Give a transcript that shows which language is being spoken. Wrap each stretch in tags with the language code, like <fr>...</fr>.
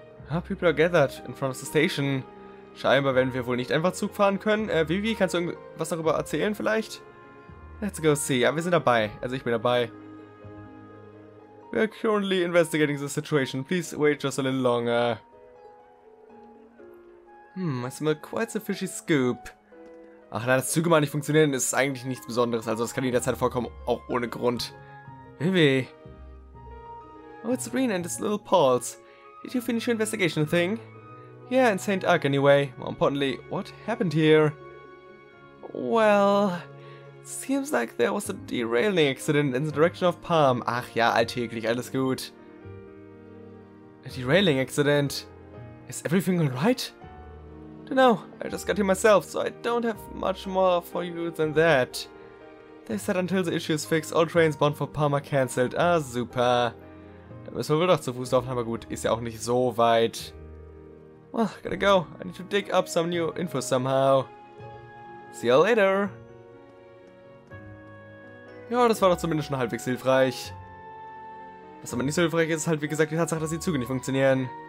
<en>Ja, people are gathered in front of the station.</en> <de>Scheinbar werden wir wohl nicht einfach Zug fahren können. Vivi, kannst du irgendwas darüber erzählen vielleicht?</de> <en>Let's go see.</en> <de>Ja, wir sind dabei. Also ich bin dabei.</de> <en>We're currently investigating the situation. Please wait just a little longer. I smell quite a fishy scoop.</en> <de>Ach nein, dass Züge mal nicht funktionieren, ist eigentlich nichts Besonderes. Also das kann jederzeit vorkommen, auch ohne Grund.</de> <en>Vivi. Oh, it's Rin and his little pals. Did you finish your investigation thing? Yeah, in St. Arc anyway. More importantly, what happened here? Well, seems like there was a derailing accident in the direction of Palm.</en> <de>Ach ja, alltäglich, alles gut.</de> <en>A derailing accident? Is everything alright? Dunno, I just got here myself, so I don't have much more for you than that. They said until the issue is fixed, all trains bound for Palm are cancelled.</en> <de>Ah, super. Da müssen wir wohl doch zu Fuß laufen, aber gut, ist ja auch nicht so weit.</de> <en>Well, gotta go. I need to dig up some new info somehow. See you later.</en> <de>Ja, das war doch zumindest schon halbwegs hilfreich. Was aber nicht so hilfreich ist, ist halt wie gesagt die Tatsache, dass die Züge nicht funktionieren.</de>